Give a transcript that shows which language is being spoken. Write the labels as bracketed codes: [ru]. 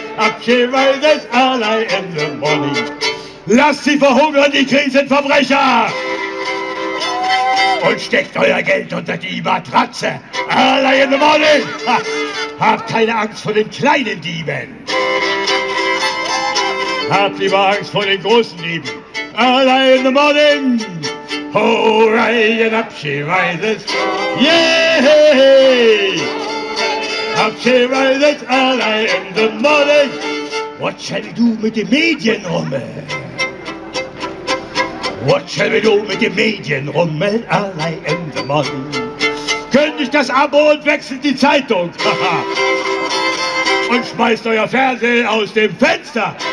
[en] Up she rises, early in the morning! [de] Lasst sie verhungern, die Krisenverbrecher! Und steckt euer Geld unter die Matratze! [en] Early in the morning! [de] Habt keine Angst vor den kleinen Dieben! Habt lieber Angst vor den großen Dieben! [en] Early in the morning! Hooray, and up she rises! Yay! Up she rises, early in the morning! What shall we do [de] mit den Medienrummel? [en] What shall we do [de] mit dem Medienrummel? [en] Early in the morning. [de] Kündigt das Abo und wechselt die Zeitung. Und schmeißt euer Fernsehen aus dem Fenster.